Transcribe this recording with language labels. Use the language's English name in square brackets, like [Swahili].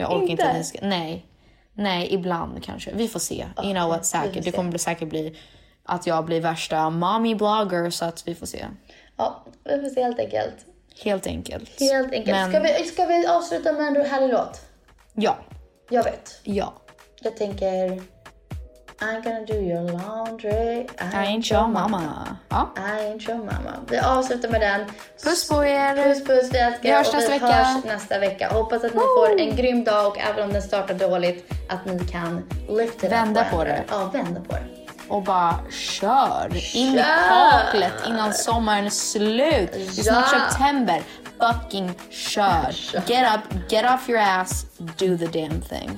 [Swedish] Jag orkar inte. Nej, ibland kanske. Vi får se. Okay. [English] You know what, [Swedish] säkert. Det kommer säkert bli att jag blir värsta mommy blogger, så att vi får se. Ja, vi får se helt enkelt. Helt enkelt. Men... Ska vi avsluta med en härlig låt? Ja. Jag vet. Ja. Jag tänker... [English] I'm gonna do your laundry. I ain't your mama. Ja. I ain't your mama. [Swedish] Vi avslutar med den. Puss på er. Puss, vi älskar. Vi hörs nästa vecka. Hoppas att ni får en grym dag, och även om den startar dåligt, att ni kan lyfta det. Vända på det. Ja, vända på det. Och bara kör in i kaklet innan sommaren är slut. Det är september. Fucking kör. [English] Get up, get off your ass, do the damn thing.